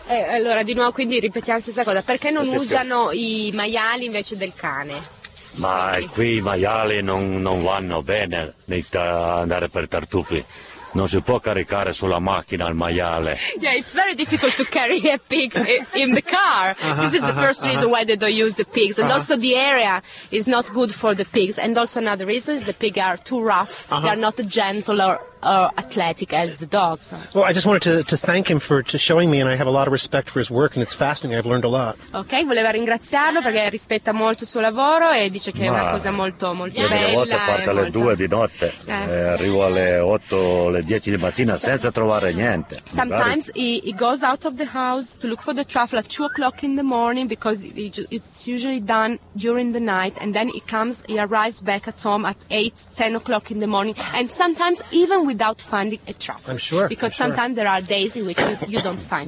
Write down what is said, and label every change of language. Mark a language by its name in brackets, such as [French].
[Italian] Allora, di nuovo, quindi ripetiamo la stessa cosa. Perché non usano i maiali invece del cane? Ma qui i maiali non vanno bene andare per tartufi. Non si può caricare sulla macchina il maiale. [English] Yeah, it's very difficult to carry a pig in the car. This is the first reason why they don't use the pigs. And also the area is not good for the pigs. And also another reason is the pigs are too rough. They are not gentle or athletic as the dogs. Well, I just wanted to thank him for showing me, and I have a lot of respect for his work, and it's fascinating. I've learned a lot. [Italian] Okay, voleva ringraziarlo perché rispetta molto il suo lavoro e dice che ma è una cosa molto molto bella. Io delle volte parto alle 2 di notte, arrivo alle 8, alle 10 di mattina senza trovare niente. [English] Sometimes he goes out of the house to look for the truffle at 2:00 in the morning because it's usually done during the night, and then he arrives back at home at 8:10 in the morning, and sometimes even without finding a truffle. I'm sure. Because I'm sometimes there are days in which you don't find